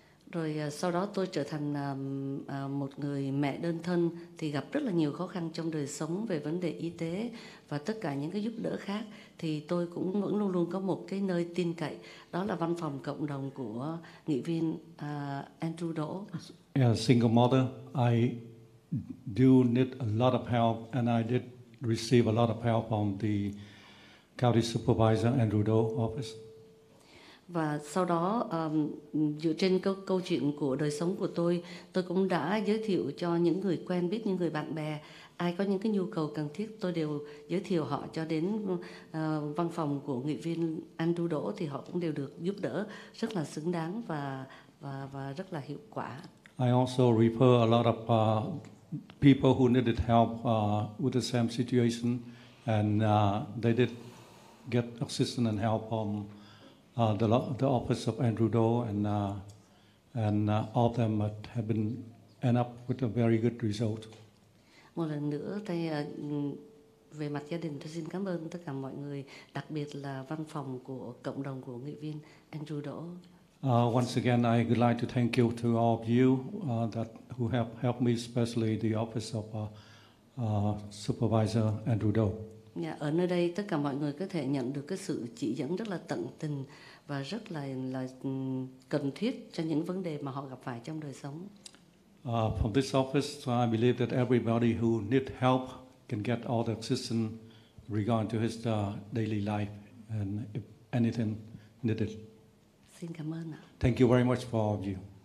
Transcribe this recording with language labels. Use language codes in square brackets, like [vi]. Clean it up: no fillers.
[vi] Rồi sau đó tôi trở thành một người mẹ đơn thân thì gặp rất là nhiều khó khăn trong đời sống về vấn đề y tế và tất cả những cái giúp đỡ khác thì tôi cũng vẫn luôn luôn có một cái nơi tin cậy, đó là văn phòng cộng đồng của nghị viên Andrew Đỗ. [en] As a single mother, I do need a lot of help and I did receive a lot of help from the county supervisor Andrew Đỗ office. [vi] Và sau đó dựa trên câu chuyện của đời sống của tôi cũng đã giới thiệu cho những người quen biết, những người bạn bè, ai có những cái nhu cầu cần thiết tôi đều giới thiệu họ cho đến văn phòng của nghị viên Andrew Đỗ thì họ cũng đều được giúp đỡ rất là xứng đáng và rất là hiệu quả. [en] I also refer a lot of people who needed help with the same situation and they did get assistance and help from the office of Andrew Doe and all of them have been end up with a very good result. [vi] Một lần nữa thì về mặt gia đình tôi xin cảm ơn tất cả mọi người, đặc biệt là văn phòng của cộng đồng của nghị viên Andrew Doe. [en] Once again, I would like to thank you to all of you that who have helped me, especially the office of Supervisor Andrew Doe. [vi] Ở nơi đây tất cả mọi người có thể nhận được cái sự chỉ dẫn rất là tận tình và rất là cần thiết cho những vấn đề mà họ gặp phải trong đời sống. [en] From this office, I believe that everybody who needs help can get all the assistance regarding to his daily life and if anything needed. [vi] Xin cảm ơn ạ. [en] Thank you very much for all of you.